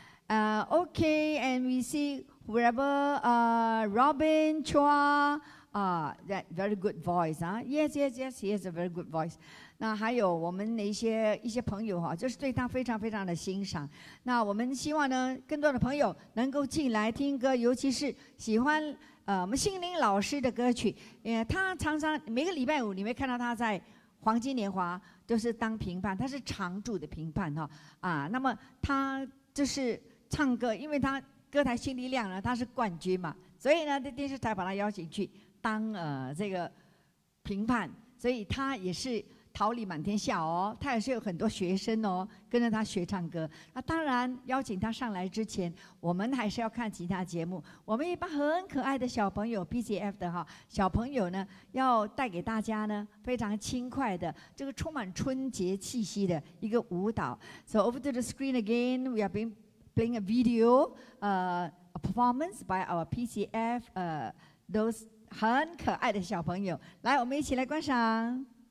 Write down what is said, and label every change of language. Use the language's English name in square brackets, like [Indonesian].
[English] Okay, and we see wherever Robin Chua, that very good voice. Yes, he has a very good voice. [Chinese] 那还有我们的一些朋友，就是对他非常非常的欣赏。那我们希望呢，更多的朋友能够进来听歌，尤其是喜欢我们心灵老师的歌曲。他常常每个礼拜五，你会看到他在黄金年华就是当评判，他是常驻的评判哈、啊、那么他就是唱歌，因为他歌台新力量呢，他是冠军嘛，所以呢，电视台把他邀请去当这个评判，所以他也是桃李满天下哦，他也是有很多学生哦，跟着他学唱歌。那当然，邀请他上来之前，我们还是要看其他节目。我们一帮很可爱的小朋友 ，BGF 的哈小朋友呢，要带给大家呢非常轻快的这个充满春节气息的一个舞蹈。 [English] So over to the screen again, we are being playing a video, a performance by our PCF, those [Chinese] 很可爱的小朋友，来，我们一起来观赏。